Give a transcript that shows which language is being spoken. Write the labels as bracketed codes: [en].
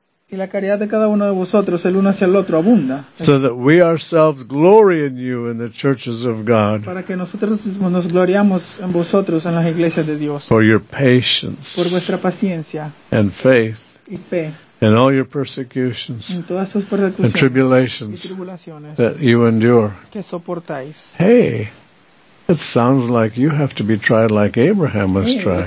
[es] Y la caridad de cada uno de vosotros, el uno hacia el otro, abunda. [en] So that we ourselves glory in you in the churches of God. [es] Para que nosotros mismos nos gloriamos en vosotros en las iglesias de Dios. [en] For your patience. [es] Por vuestra paciencia. [en] And faith. [es] Y fe. [en] And all your persecutions [es] en todas sus persecuciones [en] and tribulations [es] y tribulaciones [en] that you endure. [es] Que soportáis. [en] Hey, it sounds like you have to be tried like Abraham was tried.